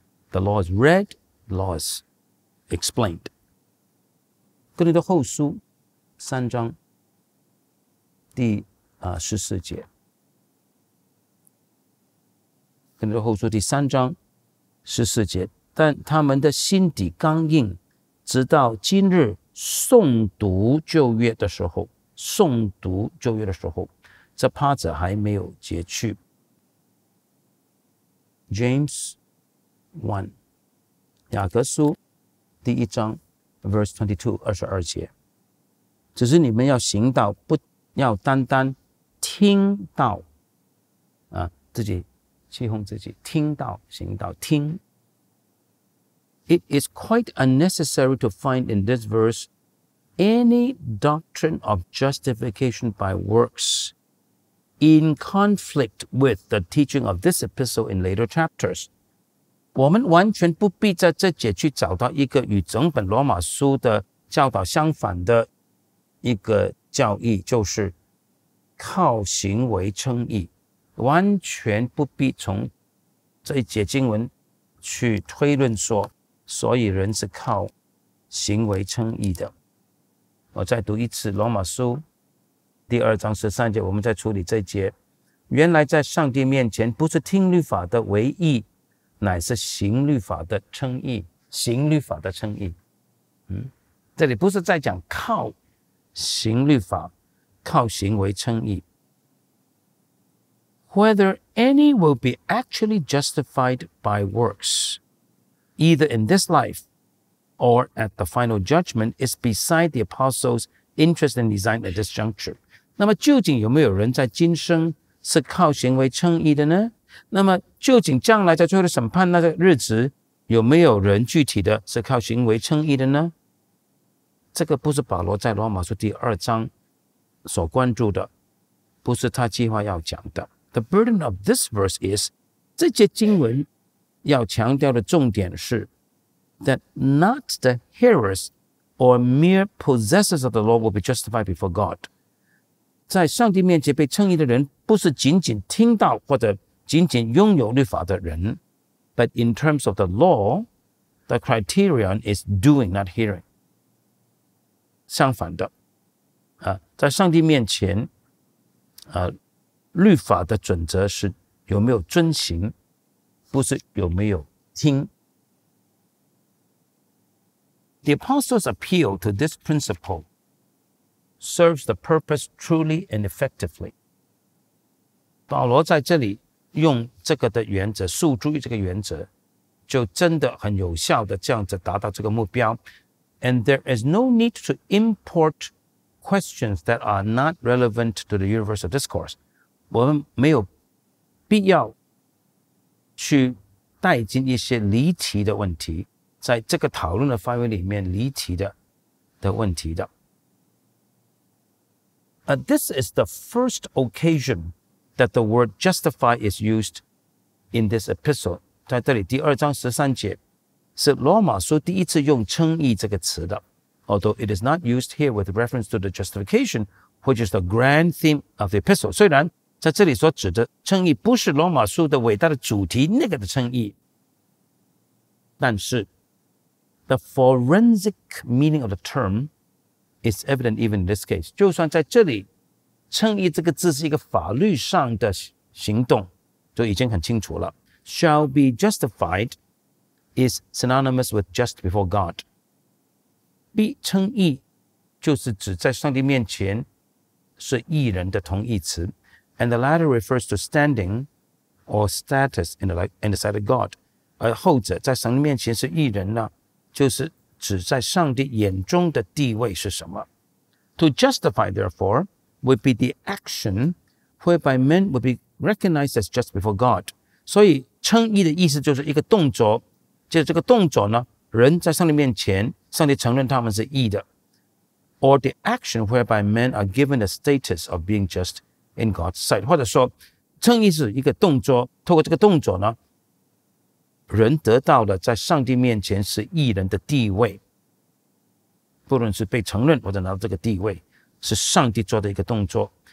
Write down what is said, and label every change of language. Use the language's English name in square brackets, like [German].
[English] The law is read, the law is explained. [Chinese] 哥林多后书3:14，跟着后书3:14，但他们的心底刚硬，直到今日诵读旧约的时候，诵读旧约的时候，这趴着还没有结去。 [English] James 1, [Chinese] 雅各书第一章 [English] verse 22, [Chinese] 二十二节。只是你们要行道，不要单单听到啊，自己欺哄自己，听到行道听。 [English] It is quite unnecessary to find in this verse any doctrine of justification by works in conflict with the teaching of this epistle in later chapters. [Chinese] 我们完全不必在这节去找到一个与整本罗马书的教导相反的一个教义，就是靠行为称义，完全不必从这一节经文去推论说所以人是靠行为称义的。我再读一次罗马书第二章十三节，我们再处理这一节。原来在上帝面前不是听律法的为义，乃是行律法的称义，行律法的称义。这里不是在讲靠行律法，靠行为称义。 [English] Whether any will be actually justified by works, either in this life or at the final judgment, is beside the apostles' interest and design at this juncture. [Chinese] 那么究竟有没有人在今生是靠行为称义的呢？那么究竟将来在最后的审判那个日子，有没有人具体的是靠行为称义的呢？这个不是保罗在罗马书第二章所关注的，不是他计划要讲的。 [English] The burden of this verse is, [Chinese] 这些经文要强调的重点是 [English] that not the hearers or mere possessors of the law will be justified before God. [Chinese] 在上帝面前被称义的人不是仅仅听到或者仅仅拥有律法的人， [English] but in terms of the law, the criterion is doing, not hearing. [Chinese] 相反的，在上帝面前律法的准则是有没有遵行，不是有没有听。 [English] The apostles' appeal to this principle serves the purpose truly and effectively. [Chinese] 保罗在这里用这个的原则，诉诸于这个原则，就真的很有效的这样子达到这个目标。 [English] And there is no need to import questions that are not relevant to the universal discourse. [Chinese] 我们没有必要去带进一些离题的问题，在这个讨论的范围里面离题的问题的。 [English] This is the first occasion that the word justify is used in this epistle. [Chinese] 在这里第二章十三节是罗马书第一次用称义这个词的。 [English] Although it is not used here with reference to the justification, which is the grand theme of the epistle. [Chinese] 虽然在这里所指的称义不是罗马书的伟大的主题那个的称义，但是 [English] the forensic meaning of the term is evident even in this case. [Chinese] 就算在这里称义这个字是一个法律上的行动就已经很清楚了。 [English] shall be justified is synonymous with just before God. [Chinese] 必称义就是指在上帝面前是义人的同义词， [English] And the latter refers to standing or status in the sight of God. [Chinese] 而后者在神面前是义人呢，就是指在上帝眼中的地位是什么。 [English] To justify, therefore, would be the action whereby men would be recognized as just before God. [Chinese] 所以称义的意思就是一个动作，就是这个动作呢，人在上帝面前，上帝承认他们是义的。 [English] Or the action whereby men are given the status of being just in God's sight, [Chinese] 或者说称义是一个动作，透过这个动作呢，人得到了在上帝面前是义人的地位，不论是被承认或者拿到这个地位，是上帝做的一个动作。